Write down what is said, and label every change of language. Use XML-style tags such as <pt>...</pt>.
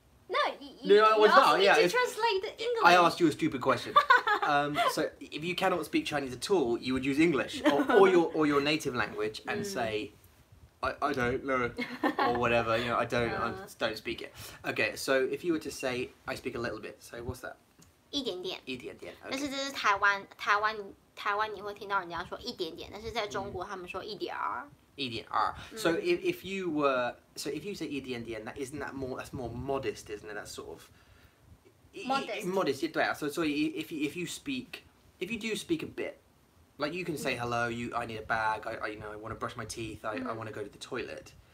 <en>No, you asked me to translate the English. I asked you a stupid question. So if you cannot speak Chinese at all, you would use English or your native language and say, I don't know, or whatever, you know, I don't speak it. Okay, so if you were to say, I speak a little bit, so what's that?</en> <zh>一点点，但是这是台湾，台湾你会听到人家说一点点，但是在中国他们说一点儿。一点儿。</zh> <en>So if you say 一点点, that's more modest, isn't it? That's sort of modest. Modest, yeah. So if you do speak a bit, like you can say hello, I need a bag, I want to brush my teeth, I want to go to the toilet.</en>